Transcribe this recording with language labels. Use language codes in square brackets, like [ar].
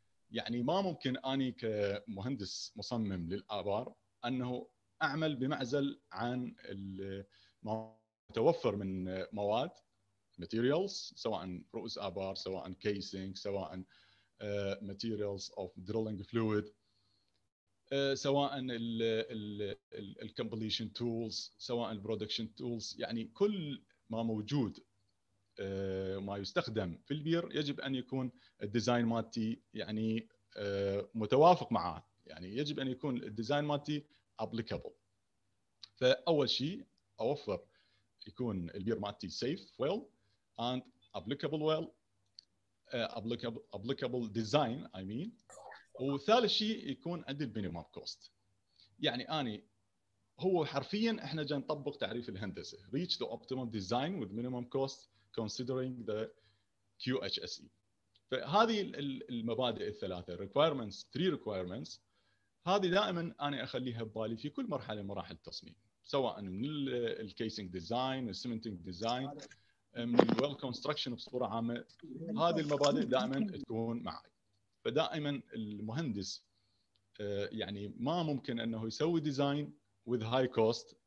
[ar] يعني ما ممكن اني كمهندس مصمم للآبار انه اعمل بمعزل عن المتوفر من مواد materials سواء رؤوس آبار سواء casing سواء [en] materials of drilling fluid [ar] سواء ال [en] completion tools [ar] سواء [en] production tools. [ar] يعني كل ما موجود ما يستخدم في البير يجب أن يكون الديزاين مالتي يعني متوافق معه. يعني يجب أن يكون الديزاين مالتي applicable. [en] فأول شيء أوفر يكون البير مالتي safe well and applicable well applicable design I mean. [ar] وثالث شيء يكون عند المينيمم كوست. يعني اني هو حرفيا احنا جاي نطبق تعريف الهندسه [en] reach the optimum design with minimum cost considering the QHSE. [ar] فهذه المبادئ الثلاثه [en] requirements three requirements [ar] هذه دائما انا اخليها ببالي في كل مرحله من مراحل التصميم سواء من الكيسينج ديزاين السمنتنج ديزاين من الويل كونستراكشن بصوره عامه. هذه المبادئ دائما تكون معي. فدائما المهندس يعني ما ممكن انه يسوي ديزاين [en] with high cost.